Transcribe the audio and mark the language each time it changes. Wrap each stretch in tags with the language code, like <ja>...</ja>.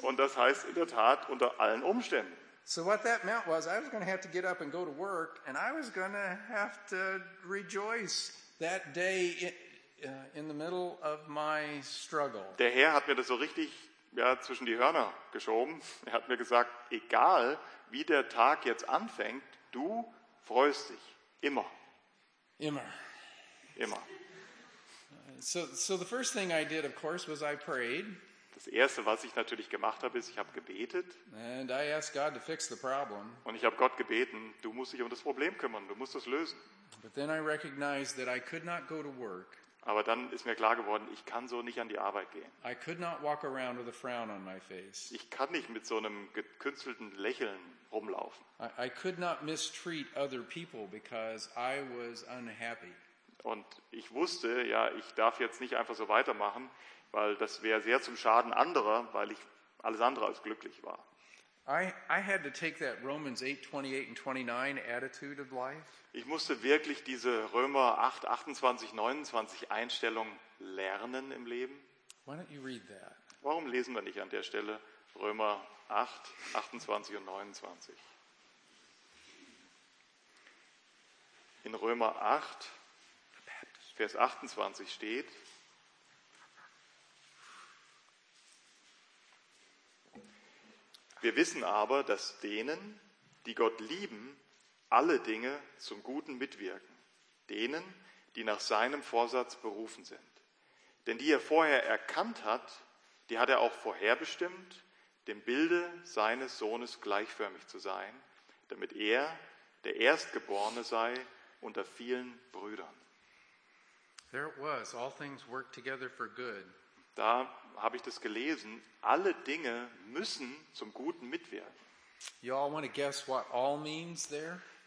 <de>Und das heißt in der Tat unter allen Umständen.</de> <en>So what that meant was, I was going to have to get up and go to work, and I was going to have to rejoice that day in the middle of my struggle.</en> <de>Der Herr hat mir das so richtig zwischen die Hörner geschoben. Er hat mir gesagt, egal wie der Tag jetzt anfängt, du freust dich immer. Immer. Immer.</de> <en>So the first thing I did, of course, was I prayed.</en> <de>Das erste, was ich natürlich gemacht habe, ist, ich habe gebetet.</de> <en>And I asked God to fix the problem.</en> <de>Und ich habe Gott gebeten, du musst dich um das Problem kümmern, du musst es lösen.</de> <en>But then I recognized that I could not go to work.</en> <de>Aber dann ist mir klar geworden, ich kann so nicht an die Arbeit gehen.</de> <en>I could not walk around with a frown on my face.</en> <de>Ich kann nicht mit so einem gekünstelten Lächeln rumlaufen.</de> <en>I could not mistreat other people because I was unhappy.</en> <de>Und ich wusste, ich darf jetzt nicht einfach so weitermachen, weil das wäre sehr zum Schaden anderer, weil ich alles andere als glücklich war.</de> <en>I had to take that Romans 8, 28 and 29 attitude of life.</en> <de>Ich musste wirklich diese Römer 8, 28, 29 Einstellung lernen im Leben.</de> <en>Why don't you read that?</en> <de>Warum lesen wir nicht an der Stelle Römer 8, 28 und 29? In Römer 8, Vers 28 steht, wir wissen aber, dass denen, die Gott lieben, alle Dinge zum Guten mitwirken. Denen, die nach seinem Vorsatz berufen sind. Denn die er vorher erkannt hat, die hat er auch vorherbestimmt, dem Bilde seines Sohnes gleichförmig zu sein, damit er der Erstgeborene sei unter vielen Brüdern.</de> <en>There it was. All things work together for good.</en> <de>Da habe ich das gelesen. Alle Dinge müssen zum Guten mitwirken.</de> <en>You all want to guess what all means there?</en>